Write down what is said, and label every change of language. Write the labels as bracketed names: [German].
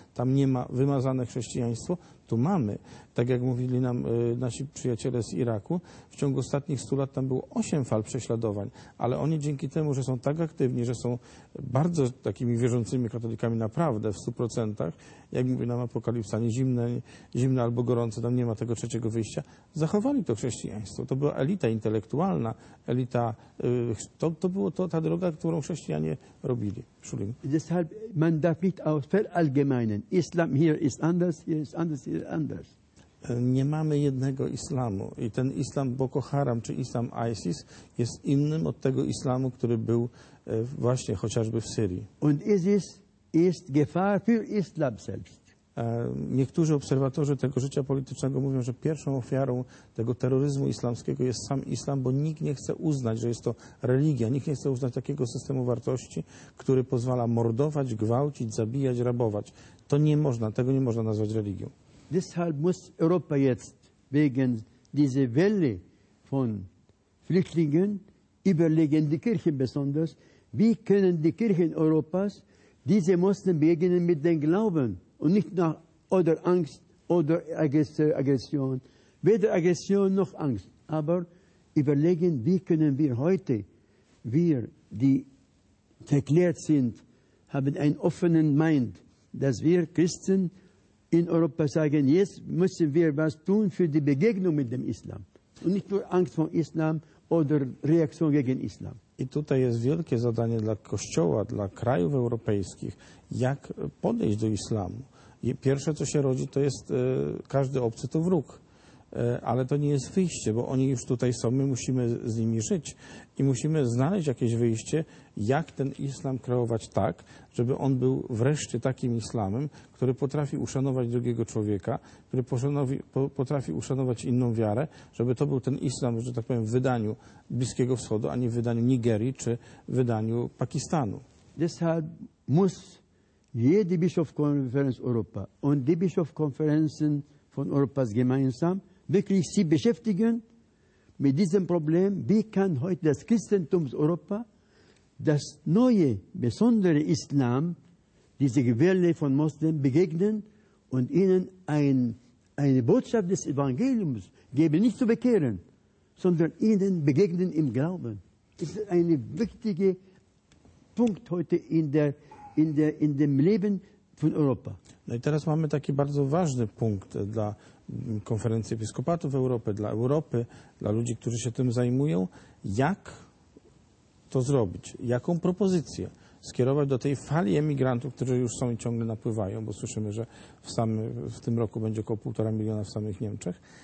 [Polish] Tam nie ma wymazane chrześcijaństwo, tu mamy. Tak jak mówili nam nasi przyjaciele z Iraku, w ciągu ostatnich 100 lat tam było 8 fal prześladowań, ale oni dzięki temu, że są tak aktywni, że są bardzo takimi wierzącymi katolikami naprawdę w 100%, jak mówi nam Apokalipsa, nie zimne albo gorące, tam nie ma tego trzeciego wyjścia, zachowali to chrześcijaństwo. To była elita intelektualna, elita, to była ta droga, którą chrześcijanie robili. Schulin. [German] Deshalb, man darf nicht auch verallgemeinen. Islam hier ist anders, hier ist anders, hier ist anders. [Polish] Nie mamy jednego islamu i ten islam Boko Haram czy islam ISIS jest innym od tego islamu, który był właśnie chociażby w Syrii. [German] Und ISIS ist Gefahr für Islam selbst. [Polish] Niektórzy obserwatorzy tego życia politycznego mówią, że pierwszą ofiarą tego terroryzmu islamskiego jest sam islam, bo nikt nie chce uznać, że jest to religia. Nikt nie chce uznać takiego systemu wartości, który pozwala mordować, gwałcić, zabijać, rabować. To nie można, tego nie można nazwać religią. [German] Deshalb muss Europa jetzt wegen dieser Welle von Flüchtlingen überlegen, die Kirchen besonders, wie können die Kirchen Europas diese Muslime begegnen mit dem Glauben? Und nicht nach oder Angst oder Aggression. Weder Aggression noch Angst. Aber überlegen, wie können wir heute, wir, die verklärt sind, haben einen offenen Mind, dass wir Christen in Europa sagen, jetzt müssen wir was tun für die Begegnung mit dem Islam. Und nicht nur Angst vor Islam oder Reaktion gegen Islam. [Polish] I tutaj jest wielkie zadanie dla Kościoła, dla krajów europejskich, jak podejść do islamu. Pierwsze, co się rodzi, to jest każdy obcy to wróg, ale to nie jest wyjście, bo oni już tutaj są, my musimy z nimi żyć i musimy znaleźć jakieś wyjście, jak ten islam kreować tak, żeby on był wreszcie takim islamem, który potrafi uszanować drugiego człowieka, który potrafi uszanować inną wiarę, żeby to był ten islam, że tak powiem, w wydaniu Bliskiego Wschodu, a nie w wydaniu Nigerii czy w wydaniu Pakistanu. [German] Deshalb muss jede Bischofskonferenz Europa und die Bischofskonferenzen von Europas gemeinsam wirklich sie beschäftigen mit diesem Problem, wie kann heute das Christentum Europa das neue, besondere Islam, diese Gewirle von Moslems begegnen und ihnen eine Botschaft des Evangeliums geben, nicht zu bekehren, sondern ihnen begegnen im Glauben. Das ist ein wichtiger Punkt heute in dem Leben von Europa. [Polish] No i teraz mamy taki bardzo ważny punkt dla Konferencji Episkopatów Europy, dla Europy, dla ludzi, którzy się tym zajmują. Jak to zrobić? Jaką propozycję skierować do tej fali emigrantów, którzy już są i ciągle napływają, bo słyszymy, że w tym roku będzie około 1,5 miliona w samych Niemczech.